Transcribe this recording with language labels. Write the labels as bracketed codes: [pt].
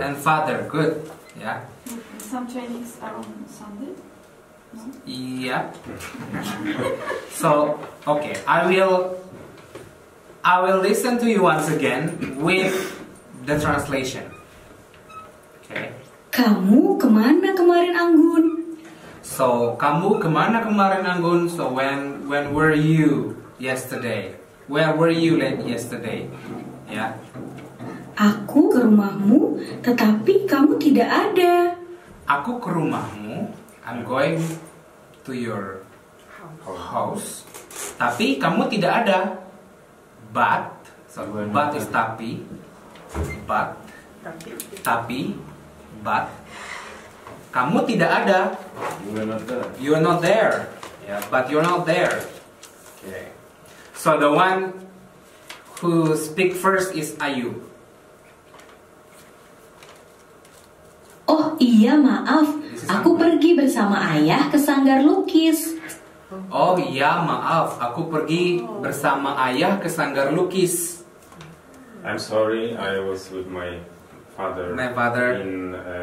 [en] And father, good, yeah. Some trainings are on Sunday, no? Yeah. So, okay, I will listen to you once again with the translation. Okay. [id] Kamu kemana kemarin, Anggun? So, kamu kemana kemarin, Anggun? [en] So, when were you yesterday? Where were you yesterday? Yeah. [id] Aku ke rumahmu, tetapi kamu tidak ada. Aku ke rumahmu, [en] I'm going to your house, [id] tapi kamu tidak ada. [en] But, so but is tapi, but, [id] kamu tidak ada. [en] You are not there. You are not there. Yeah, but you're not there. Okay. So the one who speak first is Ayu. [id] Oh iya, maaf. Aku pergi bersama ayah ke sanggar lukis. Oh iya, maaf. Aku pergi bersama ayah ke sanggar lukis. [en] I'm sorry, I was with my father in